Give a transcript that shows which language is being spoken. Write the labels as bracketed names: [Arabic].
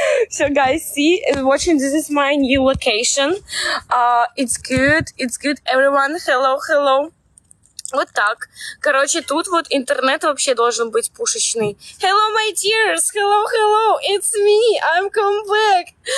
[English] So, guys, see, watching, this is my new location. It's good, everyone, hello, hello. [Russian] Вот так. Короче, тут вот интернет вообще должен быть пушечный. [English] Hello, my dears, hello, hello, it's me, I'm come back.